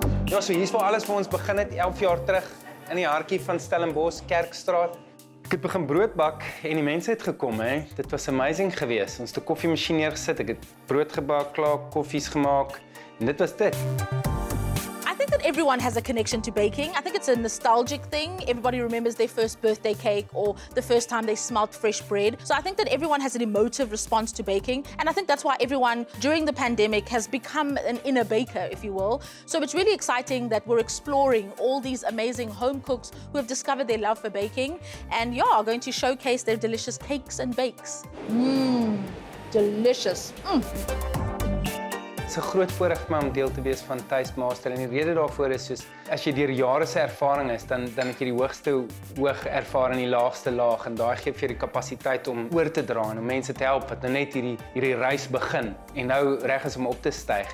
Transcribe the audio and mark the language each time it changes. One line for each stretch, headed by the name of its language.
Afrikaans: Ja, so hier is waar alles vir ons begin het, 11 jaar terug, in die hartjie van Stellenbosch, Kerkstraat. Ek het begin brood bak en die mense het gekom, hè. Dit was amazing geweest. Ons het 'n koffiemasjien neergesit, ek het brood gebak, klaar koffies gemaak, en dit was dit.
English: Everyone has a connection to baking. I think it's a nostalgic thing. Everybody remembers their first birthday cake or the first time they smelt fresh bread. So I think that everyone has an emotive response to baking. And I think that's why everyone during the pandemic has become an inner baker, if you will. So it's really exciting that we're exploring all these amazing home cooks who have discovered their love for baking and, yeah, are going to showcase their delicious cakes and bakes. Mmm, delicious. Mm.
Afrikaans: Dit is 'n groot voorreg vir my om deel te wees van Taste Master, en die rede daarvoor is, soos as jy deur jare se ervaring is, dan het jy die hoogste hoog ervaar in die laagste laag, en daai gee vir jou die kapasiteit om oor te dra en om mense te help wat nou net hierdie reis begin en nou reg is om op te styg.